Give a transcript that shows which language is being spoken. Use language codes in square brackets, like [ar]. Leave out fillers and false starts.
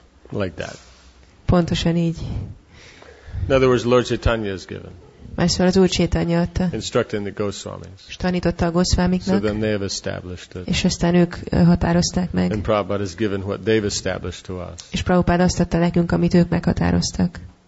[en] Like that. [hu] Pontosan így. [en] In other words, Lord Chaitanya is given. [hu] Másszor az Úr Chaitanya adta. [en] Instructing the Goswamis. [hu] És tanította a Goswamiknak. [en] So then they have established it. [hu] És aztán ők határozták meg. [en] And Prabhupada has given what they've established to us. [hu] És Prabhupada azt adta nekünk, amit ők meghatároztak.